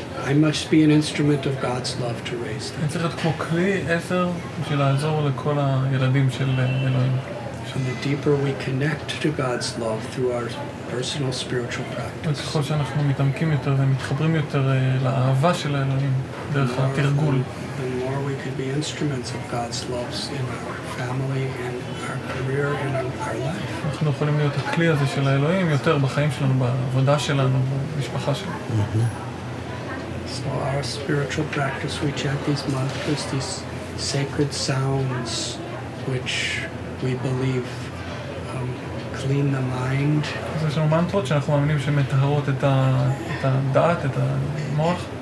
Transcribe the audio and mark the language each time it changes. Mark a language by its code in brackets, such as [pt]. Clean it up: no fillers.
[en] I must be an instrument of God's love to raise them. [he] אני צריך להיות כמו כלי עזר בשביל לעזור לכל הילדים של אלוהים. [en] And the deeper we connect to God's love through our personal spiritual practice. [he] וככל שאנחנו מתעמקים יותר ומתחברים יותר לאהבה של אלוהים דרך התרגול. [en] The more we can be instruments of God's love in our family and our career and our life. [he] אנחנו יכולים להיות הכלי הזה של אלוהים יותר בחיים שלנו, בעבודה שלנו, במשפחה שלנו. [en] So our spiritual practice, we chant these mantras, these sacred sounds, which we believe clean the mind. [he] יש לנו מנטרות שאנחנו מאמינים שמטהרות את הדעת, את המוח.